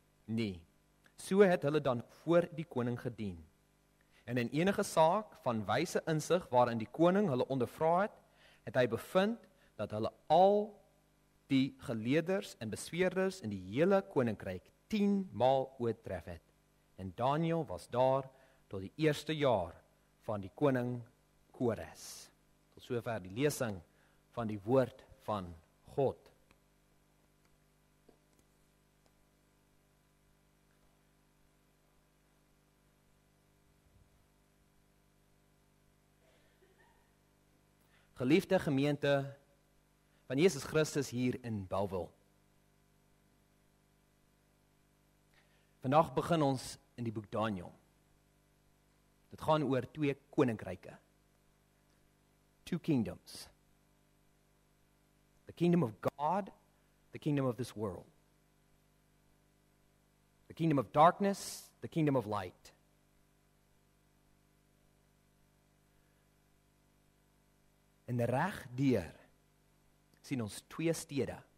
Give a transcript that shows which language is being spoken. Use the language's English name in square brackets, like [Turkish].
[Afrikaans] Nee, so het hulle dan voor die koning gedien. En in enige saak van wyse insig waarin die koning hulle ondervra het, het hy bevind dat hulle al die geleerders en besweerders in die hele koninkryk 10 maal oortref het. En Daniel was daar tot die eerste jaar van die koning Kores. Tot sover die lesing van die woord van God. Geliefde gemeente van Jesus Christus hier in Bellville. Vandag begin ons in die boek Daniel. Dit gaan oor 2 koninkryke. [English] 2 kingdoms. The kingdom of God, the kingdom of this world. The kingdom of darkness, the kingdom of light. [Afrikaans] En reg deur sien ons twee stede.